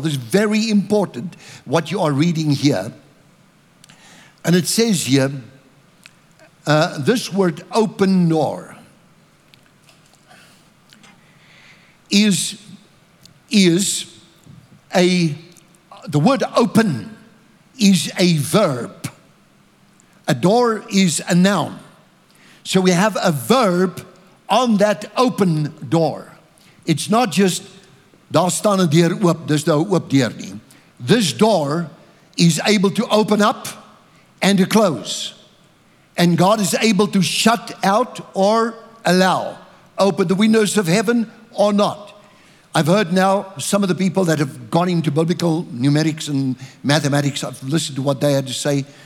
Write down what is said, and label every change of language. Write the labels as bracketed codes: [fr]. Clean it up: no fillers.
[en] This is very important, what you are reading here. And it says here, this word open door is a, the word open is a verb. A door is a noun. So we have a verb on that open door. It's not just, [af] daar staan 'n deur oop, dis nou 'n oop deur nie. [en] This door is able to open up and to close. And God is able to shut out or allow, open the windows of heaven or not. I've heard now some of the people that have gone into biblical numerics and mathematics, I've listened to what they had to say.